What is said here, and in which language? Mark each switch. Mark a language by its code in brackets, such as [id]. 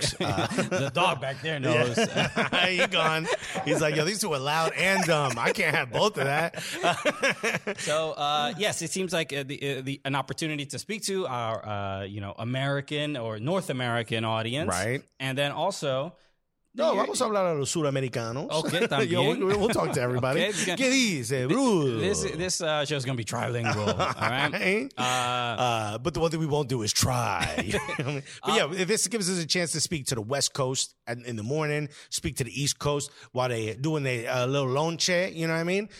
[en] Folks. The dog back there knows. Yeah. He's gone. He's like, yo, these two are loud and dumb. I can't have both of that. So yes, it seems like an opportunity to speak to our American or North American audience. Right. And then also. [es] No, vamos a hablar a los suramericanos. Okay, también. [en] Yo, we'll talk to everybody. [es] Okay, ¿qué dice, Bruce? [en] This show is going to be trilingual, all right? But the one thing we won't do is try. But this gives us a chance to speak to the West Coast in the morning, speak to the East Coast while they're doing their little lonche, you know what I mean?